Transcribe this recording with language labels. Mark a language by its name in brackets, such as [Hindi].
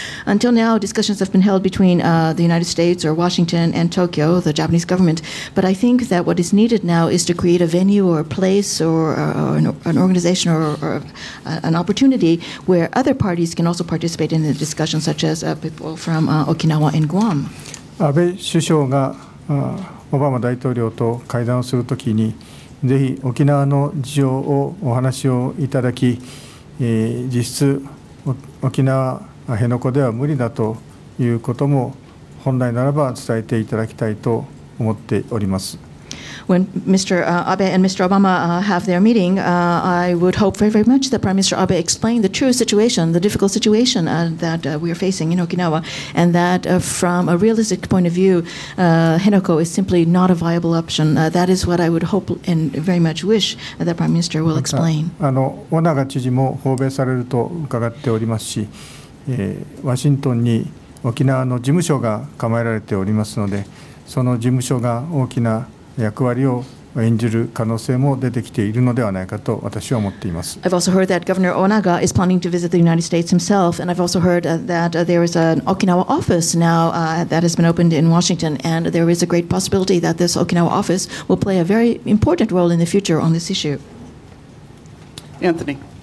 [English] Until now, discussions have been held between the United States or Washington and Tokyo, the Japanese government. But I think that what is needed now is to create a venue or a place or an organization or an opportunity where other parties can also participate in the discussion, such as people from Okinawa and Guam. [Japanese] 安倍首相がオバマ大統領と会談をするときに、ぜひ沖縄の事情をお話をいただき、実質沖縄辺野古では無理だということも本来ならば伝えていただきたいと思っております。 [English] When Mr. Abe and Mr. Obama have their meeting, I would hope very, very much that Prime Minister Abe explain the true situation, the difficult situation that we are facing in Okinawa, and that from a realistic point of view, Henoko is simply not a viable option. That is what I would hope and very much wish that Prime Minister will explain. [Japanese] 小長知事も訪米されると伺っておりますし、ワシントンに沖縄の事務所が構えられておりますので、その事務所が大きな役割を演じる可能性も出てきているのではないかと私は思っています。 [English] I've also heard that Governor Onaga is planning to visit the United States himself, and I've also heard that there is an Okinawa office now that has been opened in Washington, and there is a great possibility that this Okinawa office will play a very important role in the future on this issue. Anthony.